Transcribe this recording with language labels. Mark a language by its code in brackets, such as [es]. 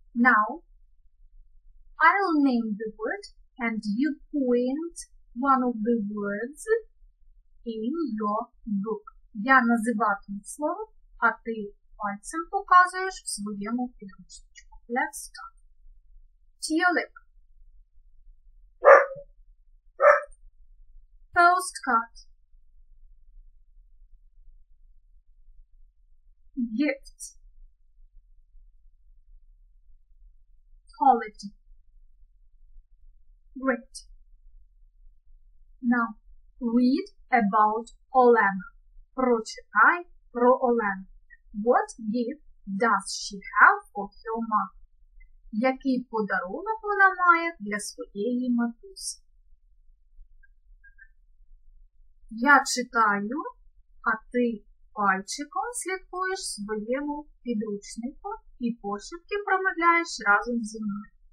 [en] Now, I'll name the word and you point one of the words in your book. [uk] Я називатиму слово, а ти пальцем показуєш в своєму підручничку. [en] Let's start. Tulip. Postcard. Gift. Holiday. Great. Now, read about Olena. [uk] Прочитай про Олену. [en] What gift does she have for her mom? [uk] Який подарунок вона має для своєї матусі? Я читаю, а ти пальчиком слідкуєш своєму підручнику і пошепки промовляєш разом зі мною.